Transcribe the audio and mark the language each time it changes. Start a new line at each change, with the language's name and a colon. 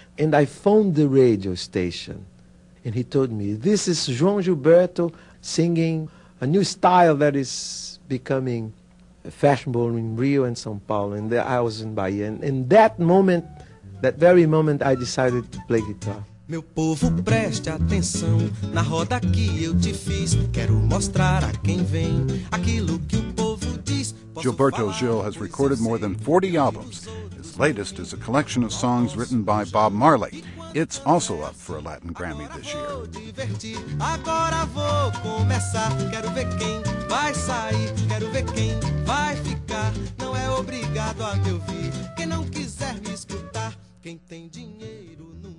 English: And I phoned the radio station, and he told me, this is João Gilberto singing a new style that is becoming fashionable in Rio and São Paulo, and there I was in Bahia. And in that moment, that very moment, I decided to play guitar.
Portuguese: Meu povo, preste atenção na roda que eu te fiz. Quero mostrar a quem vem aquilo que o povo diz.
English: Gilberto Gil has recorded more than 40 albums. His latest is a collection of songs written by Bob Marley. It's also up for a Latin Grammy this year.
Portuguese: Agora vou começar. Quero ver quem vai sair. Quero ver quem vai ficar. Não é obrigado a me ouvir. Quem não quiser me escutar. Quem tem dinheiro.